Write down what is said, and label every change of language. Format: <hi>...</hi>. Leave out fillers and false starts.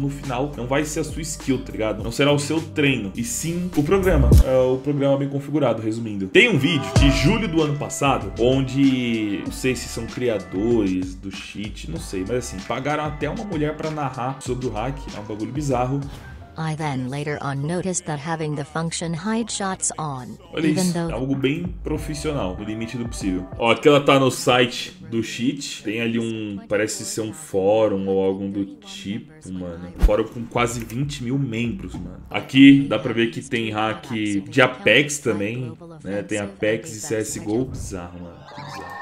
<pt>No final, não vai ser a sua skill, tá ligado? Não será o seu treino, e sim o programa. É o programa bem configurado, resumindo. Tem um vídeo de julho do ano passado, onde, não sei se são criadores do cheat, não sei, mas assim, pagaram até uma mulher pra narrar sobre o hack, é um bagulho bizarro.</pt> <en>I then later on noticed that having the function hide shots on.</en> <pt>Olha isso, though... é algo bem profissional, no limite do possível. Ó, aqui ela tá no site do cheat, tem ali um, parece ser um fórum ou algum do tipo, mano. Fórum com quase 20 mil membros, mano. Aqui dá pra ver que tem hack de Apex também, né, tem Apex e CSGO, bizarro, mano, bizarro.</pt>